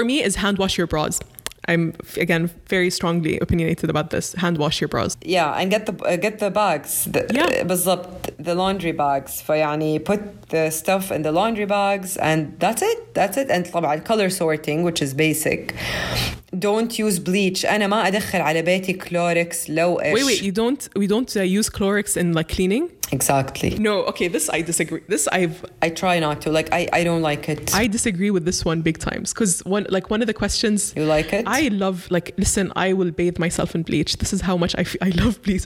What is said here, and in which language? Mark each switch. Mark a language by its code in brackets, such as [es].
[en] For me is hand wash your bras. I'm, again, very strongly opinionated about this. Hand wash your bras. Yeah, and get the bags. The laundry bags. [ar] فيعني, [en] put the stuff in the laundry bags and that's it. And [ar] طبعا, [en] color sorting, which is basic. Don't use bleach. [ar] أنا ما أدخل على بيتي Clorox low-ish. [en] Wait, we don't use Clorox in like cleaning? Exactly. No, okay, this I disagree. I try not to. Like, I don't like it. I disagree with this one big times. Because one of the questions... You like it? I love, like, listen, I will bathe myself in bleach. This is how much I love bleach.